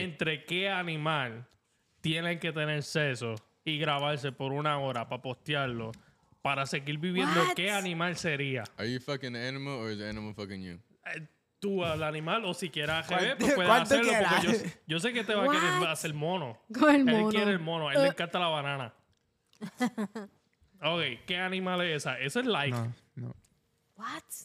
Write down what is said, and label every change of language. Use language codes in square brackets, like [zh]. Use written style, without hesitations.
[es] ¿Entre qué animal tienen que tener sexo y grabarse por una hora para postearlo para seguir viviendo? [en] What? [es] ¿Qué animal sería? [en] Are you fucking the animal or is the animal fucking you? [es] Tú al animal o si quieres jefe, pues puedes hacerlo quiera? Porque yo sé que te va [en] What? [es] A querer hacer mono. Con el mono. Él quiere el mono. Él le encanta la banana. Ok, ¿qué animal es esa? Eso es like. No. [en] What?